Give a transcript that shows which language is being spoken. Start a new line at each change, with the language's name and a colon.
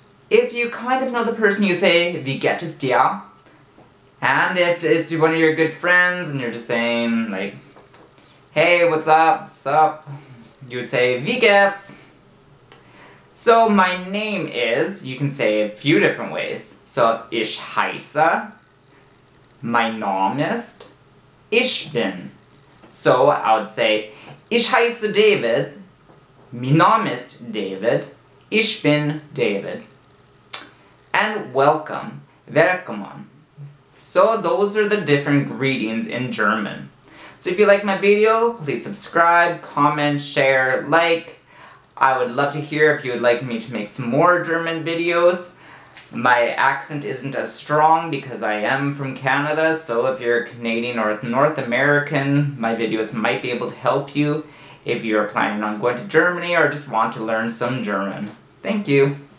English: If you kind of know the person, you say,
German: Wie geht es dir?
English: And if it's one of your good friends, and you're just saying, like, Hey, what's up? You would say,
German: Wie geht's?
English: So my name is, you can say a few different ways.
German: So, ich heiße, mein Name ist, ich bin.
English: So, I would say,
German: ich heiße David, mein Name ist David, ich bin David.
English: And welcome, willkommen. So, those are the different greetings in German. So, if you like my video, please subscribe, comment, share, like. I would love to hear if you would like me to make some more German videos. My accent isn't as strong because I am from Canada, so if you're Canadian or North American, my videos might be able to help you if you're planning on going to Germany or just want to learn some German. Thank you!